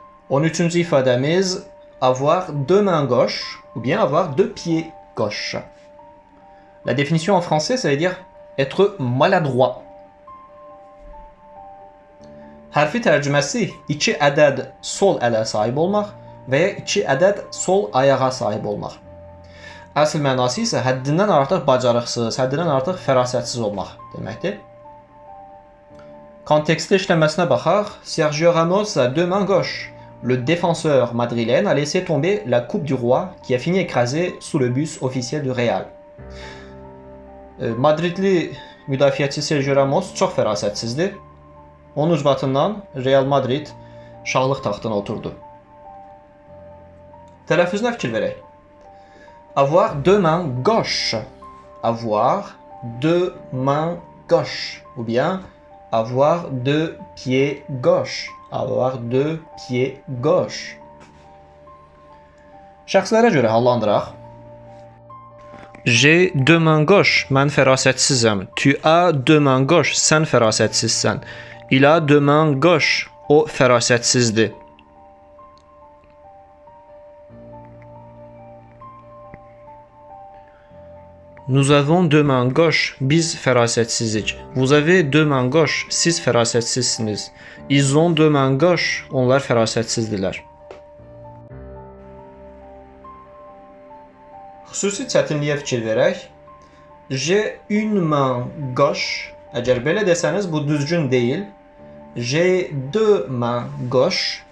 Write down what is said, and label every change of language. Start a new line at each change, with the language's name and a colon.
French: En utilisant Fadamiz, avoir deux mains gauches ou bien avoir deux pieds gauches. La définition en français, ça veut dire être maladroit.
Turkish: Harfi tercümesi, iki adet sol ele sahip olmak veya iki adet sol ayağa sahip olmak.
Azerbaijani: Asıl mənası isə həddindən artıq bacarıqsız, həddindən artıq fərasətsiz olmaq deməkdir. Kontekstdə işləməsinə baxaq.
French: Sergio Ramos, deux mains gauches. Le défenseur madrilène a laissé tomber la Coupe du Roi qui a fini écrasée sous le bus officiel du Real.
Azerbaijani: Madridli müdafiəçi Sergio Ramos çox fərasətsizdir. Onun ucbatından Real Madrid şahlıq taxtına oturdu. Tələffüzünə fikir verək.
French: Avoir deux mains gauches. Avoir deux mains gauches. Ou bien avoir deux pieds gauches. Avoir deux pieds gauches.
Azerbaijani: Şəxslərə görə hallandıraq.
French: J'ai deux mains gauches.
Azerbaijani: Mən fərasətsizəm.
French: Tu as deux mains gauches.
Azerbaijani: Sən fərasətsizsən.
French: Il a deux mains gauches.
Azerbaijani: O fərasətsizdir.
French: Nous avons deux mains gauches.
Azerbaijani: Biz fərasətsizik.
French: Vous avez deux mains gauches.
Azerbaijani: Siz fərasətsizsiniz.
French: Ils ont deux mains gauches.
Azerbaijani: Onlar fərasətsizdirlər. Xüsusi çətinliyə fikir verək.
French: J'ai une main gauche.
Azerbaijani: Əgər belə desəniz, bu düzgün deyil.
French: J'ai deux mains gauches.